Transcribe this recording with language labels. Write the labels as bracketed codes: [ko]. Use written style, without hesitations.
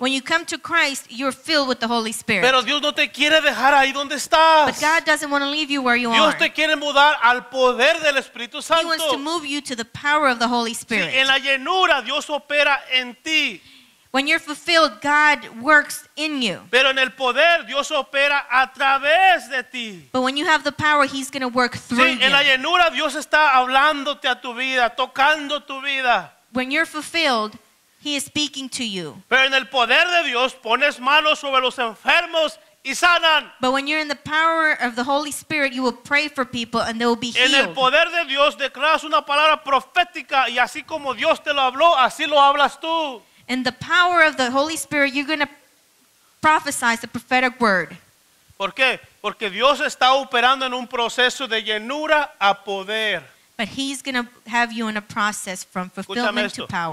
[en] When you come to Christ, you're filled with the Holy Spirit. [es] Pero Dios no te quiere dejar ahí donde estás. [en] But God doesn't want to leave you where you are. [es] Dios te quiere mudar al poder del Espíritu Santo. [en] He wants to move you to the power of the Holy Spirit. [es] Sí, en la llenura, Dios opera en ti. [en] When you're fulfilled, God works in you. [es] Pero en el poder, Dios opera a través de ti. [en] But when you have the power, he's going to work through you. [es] Sí, en la llenura, Dios está hablándote a tu vida, tocando tu vida. [en] When you're fulfilled, he is speaking to you. [es] Pero en el poder de Dios, pones manos sobre los enfermos y sanan. [en] But when you're in the power of the Holy Spirit, you will pray for people and they will be healed. [es] En el poder de Dios, declaras una palabra profética y así como Dios te lo habló, así lo hablas tú. [en] In the power of the Holy Spirit, you're going to prophesy the prophetic word. [es] ¿Por qué? Porque Dios está operando en un proceso de llenura a poder. [en] But he's going to have you in a process from fulfillment to power.